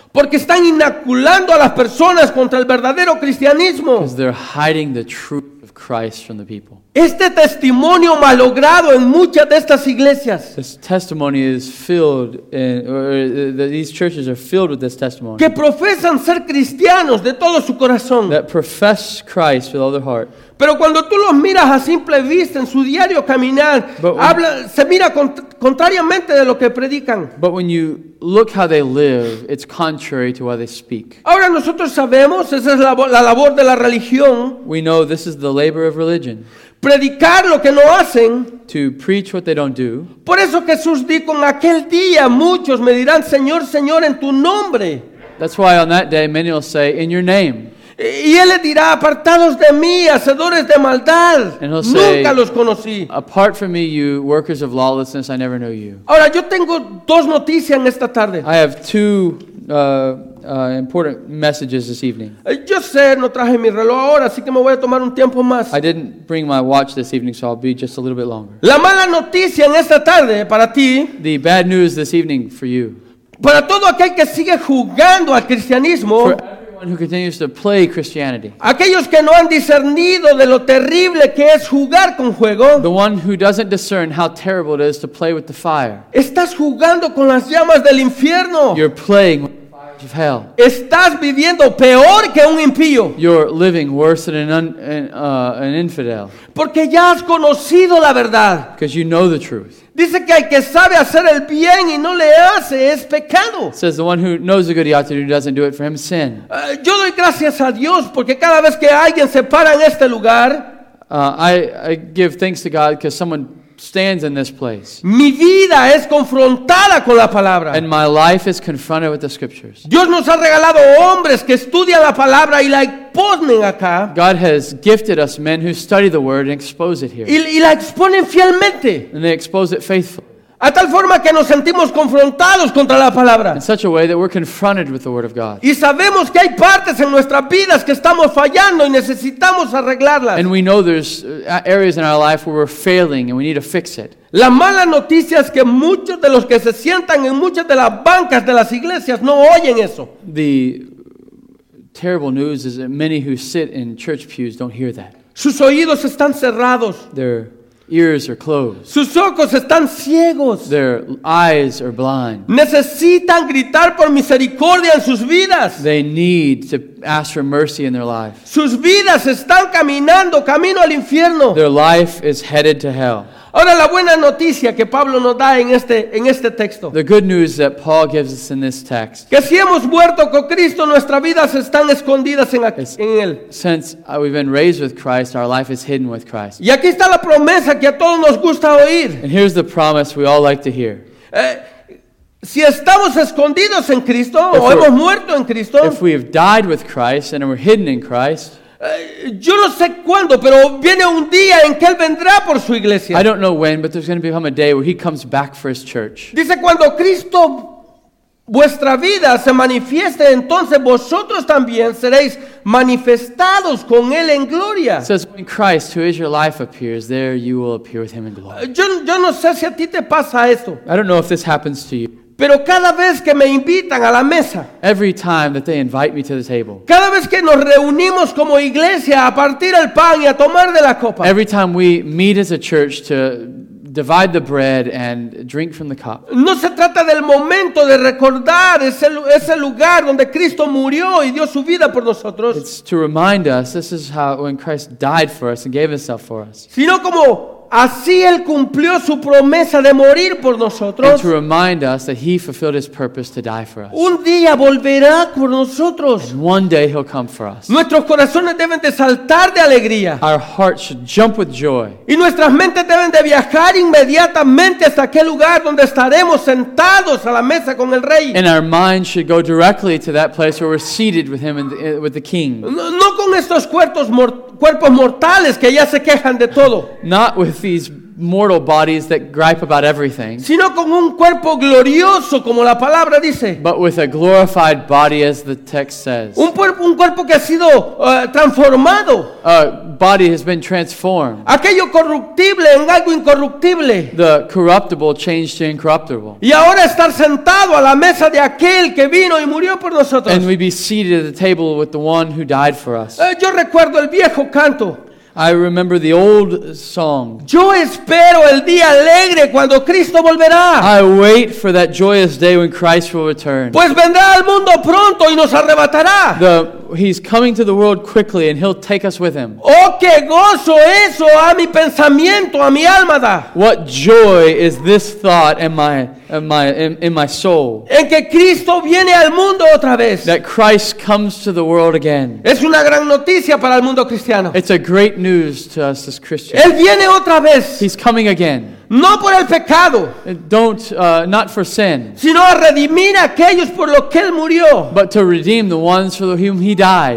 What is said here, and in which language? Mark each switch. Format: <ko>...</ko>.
<es>Porque están inoculando a las personas contra el verdadero cristianismo.</es> <en>Because they're hiding the truth of Christ from the people.</en> <es>Este testimonio malogrado en muchas de estas iglesias.</es> <en>This testimony is filled in, or these churches are filled with this testimony.</en> <es>Que profesan ser cristianos de todo su corazón.</es> <en>That profess Christ with all their heart.</en> <es>Pero cuando tú los miras a simple vista en su diario caminar, se mira contrariamente de lo que predican.</es> <en>But when you look how they live, it's contrary to how they speak.</en> <es>Ahora nosotros sabemos, esa es la labor de la religión.</es> <en>We know this is the labor of religion.</en> <es>Predicar lo que no hacen.</es> <en>To preach what they don't do.</en> <es>Por eso Jesús dijo, en aquel día muchos me dirán, Señor, Señor, en tu nombre.</es> <en>That's why on that day many will say, in your name.</en> <es>Y él les dirá, apartados de mí, hacedores de maldad.</es> <en>And he'll</en> <es>nunca</es> <en>say,</en> <es>los conocí.</es> <en>Apart from me, you workers of lawlessness, I never knew you.</en> <es>Ahora, yo tengo dos noticias en esta tarde.</es> <en>I have two important messages this evening.</en> <es>Yo sé, no traje mi reloj ahora, así que me voy a tomar un tiempo más.</es> <en>I didn't bring my watch this evening, so I'll be just a little bit longer.</en> <es>La mala noticia en esta tarde para ti.</es> <en>The bad news this evening for you.</en> <es>Para todo aquel que sigue jugando al cristianismo.</es> <en>Who continues to play Christianity.</en> <es>Aquellos que no han discernido de lo terrible que es jugar con juego.</es> <en>The one who doesn't discern how terrible it is to play with the fire.</en> <es>Estás jugando con las llamas del infierno.</es> <en>You're playing with the fires of hell.</en> <es>Estás viviendo peor que un impío.</es> <en>You're living worse than an infidel.</en> <es>Porque ya has conocido la verdad.</es> <en>Because you know the truth.</en> <es>Dice que el que sabe hacer el bien y no le hace es pecado.</es> <en>Says the one who knows the good he ought to do doesn't do it for him is sin.</en> <es>Yo doy gracias a Dios porque cada vez que alguien se para en este lugar,</es> <en>I give thanks to God because someone stands in this place.</en> <es>Mi vida es confrontada con la palabra.</es> <en>And my life is confronted with the scriptures.</en> <es>Dios nos ha regalado hombres que estudian la palabra y la exponen acá.</es> <en>God has gifted us men who study the word and expose it here.</en> <es>Y la exponen fielmente.</es> <en>And they expose it faithfully.</en> <es>A tal forma que nos sentimos confrontados contra la palabra.</es> <en>In such a way that we're confronted with the word of God.</en> <es>Y sabemos que hay partes en nuestras vidas que estamos fallando y necesitamos arreglarlas.</es> <en>And we know there's areas in our life where we're failing and we need to fix it.</en> <es>La mala noticia es que muchos de los que se sientan en muchas de las bancas de las iglesias no oyen eso.</es> <en>The terrible news is that many who sit in church pews don't hear that.</en> <es>Sus oídos están cerrados.</es> <en>They're ears are closed.</en> <es>Sus ojos están ciegos.</es> <en>Their eyes are blind.</en> <es>Necesitan gritar por misericordia en sus vidas.</es> <en>They need to ask for mercy in their life.</en> <es>Sus vidas están caminando camino al infierno.</es> <en>Their life is headed to hell.</en> <es>Ahora la buena noticia que Pablo nos da en este texto.</es> <en>The good news that Paul gives us in this text.</en> <es>Que si hemos muerto con Cristo, nuestras vidas están escondidas en él.</es> <en>Since we've been raised with Christ, our life is hidden with Christ.</en> <es>Y aquí está la promesa que a todos nos gusta oír.</es> <en>And here's the promise we all like to hear.</en> <es>Si estamos escondidos en Cristo o hemos muerto en Cristo.</es> <en>If we have died with Christ and we're hidden in Christ.</en> <es>Yo no sé cuándo, pero viene un día en que él vendrá por su iglesia.</es> <en>I don't know when, but there's going to become a day where he comes back for his church.</en> <es>Dice cuando Cristo vuestra vida se manifieste, entonces vosotros también seréis manifestados con él en gloria.</es> <en>It says when Christ, who is your life, appears, there you will appear with him in glory.</en> <es>Yo no sé si a ti te pasa esto.</es> <en>I don't know if this happens to you.</en> <es>Pero cada vez que me invitan a la mesa,</es> <en>every time that they invite me to the table,</en> <es>cada vez que nos reunimos como iglesia a partir el pan y a tomar de la copa,</es> <en>every time we meet as a church to divide the bread and drink from the cup,</en> <es>no se trata del momento de recordar ese lugar donde Cristo murió y dio su vida por nosotros.</es> <en>It's to remind us this is how when Christ died for us and gave himself for us.</en> <es>Sino como así él cumplió su promesa de morir por nosotros.</es> <en>And to remind us that he fulfilled his purpose to die for us.</en> <es>Un día volverá por nosotros.</es> <en>And one day he'll come for us.</en> <es>Nuestros corazones deben de saltar de alegría.</es> <en>Our hearts should jump with joy.</en> <es>Y nuestras mentes deben de viajar inmediatamente hasta aquel lugar donde estaremos sentados a la mesa con el rey.</es> <en>And our minds should go directly to that place where we're seated with him and with the king.</en> <es>No con estos cuerpos mortales que ya se quejan de todo.</es> <en>Not with these mortal bodies that gripe about everything.</en> <es>Sino con un cuerpo glorioso, como la palabra dice.</es> <en>But with a glorified body, as the text says.</en> <es>Un cuerpo que ha sido transformado.</es> <en>A body has been transformed.</en> <es>Aquello corruptible en algo incorruptible.</es> <en>The corruptible changed to incorruptible.</en> <es>Y ahora estar sentado a la mesa de aquel que vino y murió por nosotros.</es> <en>And we be seated at the table with the one who died for us.</en> <es>Yo recuerdo el viejo canto.</es> <en>I remember the old song.</en> <es>Yo espero el día alegre cuando Cristo volverá.</es> <en>I wait for that joyous day when Christ will return.</en> <es>Pues vendrá al mundo pronto y nos arrebatará.</es> <en>He's coming to the world quickly and he'll take us with him.</en> <es>Oh, qué gozo eso a mi pensamiento, a mi alma da.</es> <en>What joy is this thought in my soul?</en> <es>En que Cristo viene al mundo otra vez.</es> <en>That Christ comes to the world again.</en> <es>Es una gran noticia para el mundo cristiano.</es> <en>It's a great news to us as Christians.</en> <es>Él viene otra vez.</es> <en>He's coming again.</en> <es>No por el pecado.</es> <en>Not for sin.</en> <es>Sino a redimir a aquellos por lo que él murió.</es> <en>But to redeem the ones for whom he died.</en>